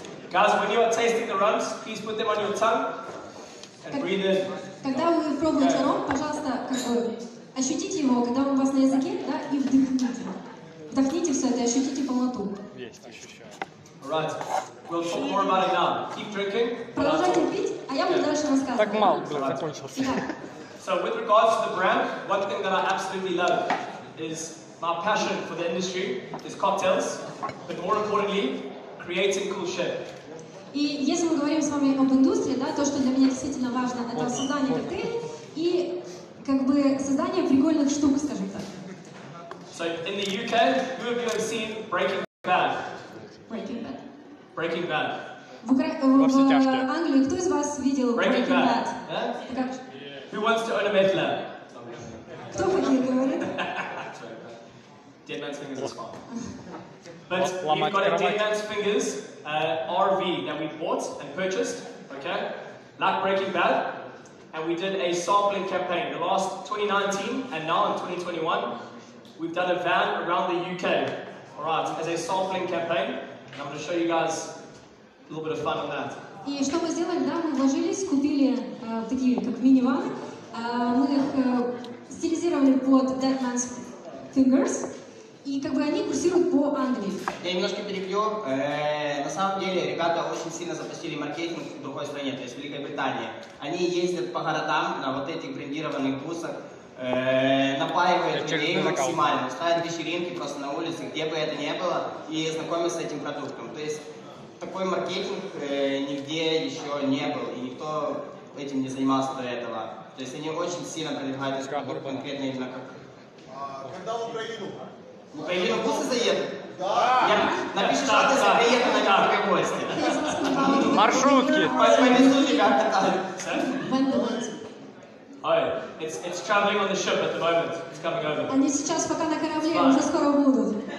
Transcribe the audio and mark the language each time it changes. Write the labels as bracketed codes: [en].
[en] Guys, when you are tasting the rums, please put them on your tongue and breathe in. [ru] Когда вы пробуете ром, пожалуйста, как бы ощутите его, когда он у вас на языке, да, и вдохните. Вдохните все это, ощутите полноту. [en] Right. We'll talk more about it now. Keep drinking. [ru] Продолжайте пить, а я буду дальше рассказывать. Так мало было, закончился. [en] So with regards to the brand, one thing that I absolutely love is my passion for the industry is cocktails, but more importantly, creating cool shit. [ru] И если мы говорим с вами об индустрии, да, то, что для меня действительно важно, это создание коктейлей и как бы создание прикольных штук, скажем так. [en] So in the UK, who of you have seen Breaking Bad? Breaking Bad. Breaking Bad. [ru] В Англии кто из вас видел Breaking Bad? [en] Who wants to own a meth lab? [ru] Кто хочет, говорит? [en] Dead man's fingers is fine. But we've got a Dead Man's Fingers RV that we bought and purchased, okay? Like Breaking Bad. And we did a sampling campaign the last 2019 and now in 2021. We've done a van around the UK. All right, as a sampling campaign, and I'm going to show you guys a little bit of fun on that. [ru] И что мы сделали, да, мы вложились, купили такие, как мини-ван, мы их стилизировали под Dead Man's Fingers, и как бы они курсируют по Англии. Я немножко перебью. На самом деле, ребята очень сильно запустили маркетинг в другой стране, то есть в Великобритании. Они ездят по городам на вот этих брендированных бусах, напаивают людей максимально, ставят вечеринки просто на улице, где бы это ни было, и знакомят с этим продуктом. То есть, такой маркетинг нигде еще не был, и никто этим не занимался до этого. То есть они очень сильно продвигают этот продукт конкретно именно как. Когда в Украину? В Украину бусы заедут? Да! Напиши, что ты приехал на какой гости. Маршрутки! Повезли, как ты там. [en] Oh, it's traveling on the ship at the moment. It's coming over. [ru] Они сейчас пока на корабле, уже скоро будут.